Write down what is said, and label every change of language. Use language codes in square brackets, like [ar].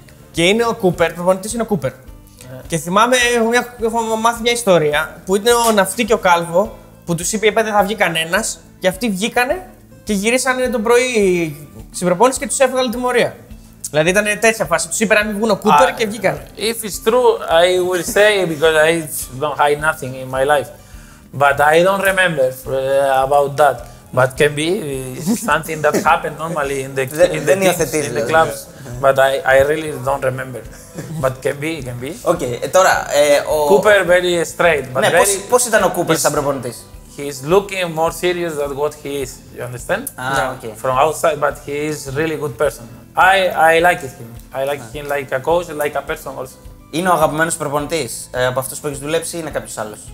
[el] Και είναι ο Κούπερ, προπονητής είναι ο Κούπερ. Και θυμάμαι, έχω μάθει μια ιστορία που ήταν ο Ναυτί και ο Κάλβο που τους είπε δεν θα βγει κανένας και αυτοί βγήκανε και γυρίσανε το πρωί στην προπόνηση και τους έφεγαν τιμωρία. Δηλαδή ήταν τέτοια φάση. Τους είπε να μην βγουν ο Κούπερ και βγήκανε. [en] If it's true, I will say because I don't hide nothing in my life. But I don't remember about that. But can be something that happened normally in the teams, in the clubs. But I really don't remember. But can be. [el] Okay, τώρα, ο... [en] Cooper very straight. But [el] ναι, [en] very... [el] πώς ήταν ο Cooper σαν προπονητής? [en] He's looking more serious than what he is, you understand? Okay. From outside, but he is really good person. I like him. I like him like a coach, like a person also. [el] Είναι ο αγαπημένος προπονητής από αυτούς που έχεις δουλέψει ή είναι κάποιος άλλος?